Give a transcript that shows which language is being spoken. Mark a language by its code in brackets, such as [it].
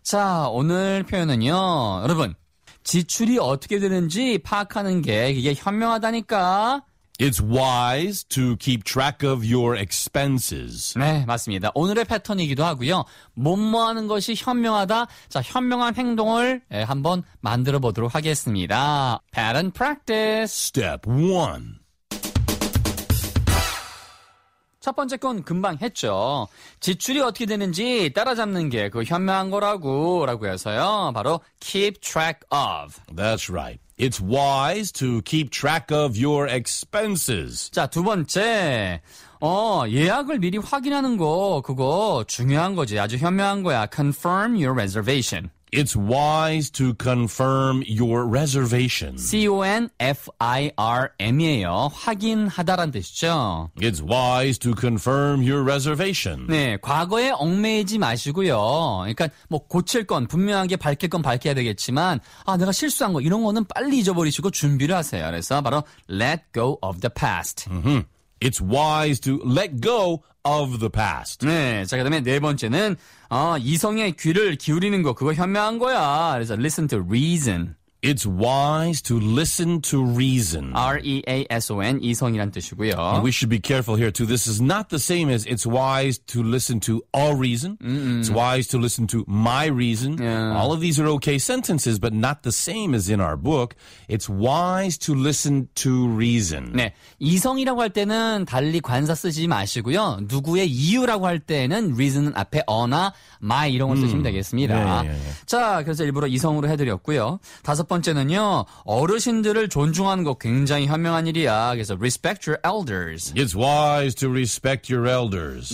[ko] 자, 오늘 표현은요, 여러분. 지출이 어떻게 되는지 파악하는 게 이게 현명하다니까. [en] It's wise to keep track of your expenses. [ko] 네, 맞습니다. 오늘의 패턴이기도 하고요. 뭐뭐 하는 것이 현명하다. 자, 현명한 행동을 한번 만들어 보도록 하겠습니다. [en] Pattern practice. Step 1. [ko] 첫 번째 건 금방 했죠. 지출이 어떻게 되는지 따라잡는 게 그 현명한 거라고 라고 해서요. 바로 [en] keep track of. That's right. It's wise to keep track of your expenses. [ko] 자, 두 번째. 예약을 미리 확인하는 거 그거 중요한 거지. 아주 현명한 거야. [en] Confirm your reservation. It's wise to confirm your reservation. C-O-N-F-I-R-M이에요. [ko] 확인하다란 뜻이죠. [en] It's wise to confirm your reservation. [ko] 네, 과거에 얽매이지 마시고요. 그러니까 뭐 고칠 건 분명하게 밝힐 건 밝혀야 되겠지만 아 내가 실수한 거 이런 거는 빨리 잊어버리시고 준비를 하세요. 그래서 바로 [en] let go of the past. It's wise to let go of the past. [ko] 네, 자 그다음에 네 번째는 이성의 귀를 기울이는 거 그거 현명한 거야. 그래서 [en] listen to reason. It's wise to listen to reason. R-E-A-S-O-N, [ko] 이성이란 뜻이고요. [en] And we should be careful here, too. This is not the same as it's wise to listen to a reason. Mm-mm. It's wise to listen to my reason. Yeah. All of these are okay sentences, but not the same as in our book. It's wise to listen to reason. [ko] 네, 이성이라고 할 때는 달리 관사 쓰지 마시고요. 누구의 이유라고 할 때는 reason 앞에 어나 my 이런 걸 쓰시면 되겠습니다. 네, 네, 네. 자, 그래서 일부러 이성으로 해드렸고요. 다섯 번째는요. 어르신들을 존중하는 거 굉장히 현명한 일이야. 그래서 [en] respect your elders. It's wise to respect your elders.